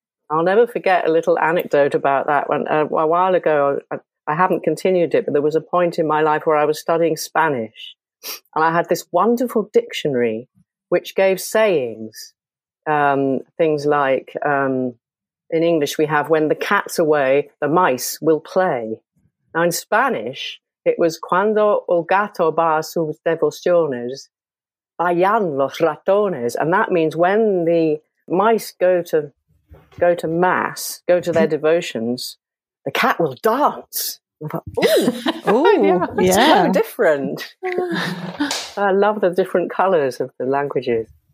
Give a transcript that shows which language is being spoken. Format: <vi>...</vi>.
<en>I'll never forget a little anecdote about that. A while ago, I haven't continued it, but there was a point in my life where I was studying Spanish and I had this wonderful dictionary which gave sayings, things like... in English, we have, when the cat's away, the mice will play. Now, in Spanish, it was,</en> <es>cuando el gato va a sus devociones, vayan los ratones.</es> <en>And that means when the mice go to mass, go to their devotions, the cat will dance. I thought, ooh, ooh, yeah, it's so different. I love the different colors of the languages.</en>